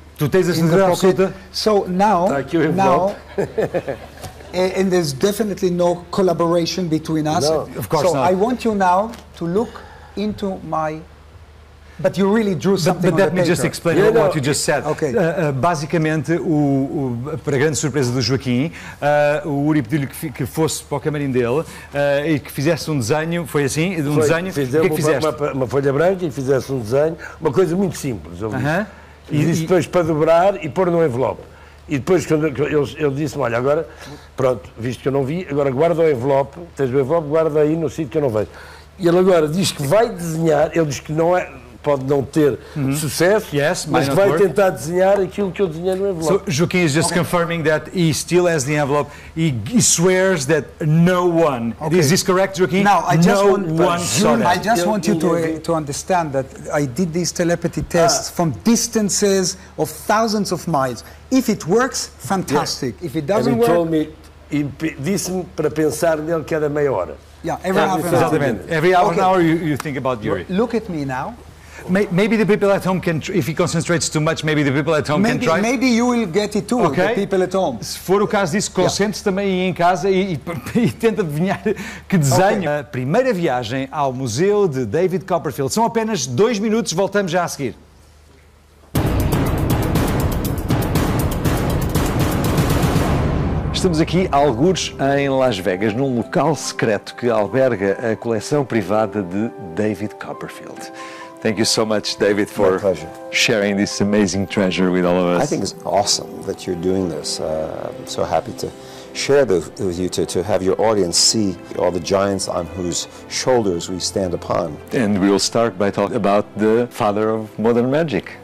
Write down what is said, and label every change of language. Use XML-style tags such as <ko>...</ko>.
<pt>Tu tens esse envelope?</pt> <en>So now, and there's definitely no collaboration between us. No, of course not. So I want you now to look into my. But you really drew something but on the paper. But let me just explain what you just said. Okay.</en> <pt>Basicamente, para a grande surpresa do Joaquim, o Uri pediu-lhe que fosse para o camarim dele e que fizesse um desenho, foi assim? Um foi, desenho. Fiz o que fizeste? Uma folha branca e fizesse um desenho, uma coisa muito simples. Eu disse depois para dobrar e pôr num envelope. E depois, quando ele disse-me, olha, agora, pronto, visto que eu não vi, agora guarda o envelope, tens o envelope, guarda aí no sítio que eu não vejo. E ele agora diz que vai desenhar, ele diz que não é... pode não ter sucesso, mas vai tentar desenhar aquilo que eu desenhei no envelope.</pt> <en>So Joaquim is just confirming that he still has the envelope. He swears that no one... Okay. Is this correct, Joaquim? I just want you to understand that I did these telepathy tests from distances of thousands of miles. If it works, fantastic. Yes. If it doesn't work...</en> <pt>Disse-me para pensar nele cada meia hora.</pt> <en>Yeah, every half an hour.</en> <pt>Exatamente.</pt> <en>Every hour an hour you think about Yuri. Look at me now. Maybe the people at home can, if he concentrates too much, maybe the people at home can try. Maybe you will get it too, okay. The people at home.</en> <pt>Se for o caso disso, concentre-se também aí em casa e tenta adivinhar que desenho. Okay. A primeira viagem ao museu de David Copperfield. São apenas 2 minutos, voltamos já a seguir. Estamos aqui, algures, em Las Vegas, num local secreto que alberga a coleção privada de David Copperfield.</pt> <en>Thank you so much, David, for sharing this amazing treasure with all of us. I think it's awesome that you're doing this. I'm so happy to share this with you, to have your audience see all the giants on whose shoulders we stand upon. And we'll start by talking about the father of modern magic.</en>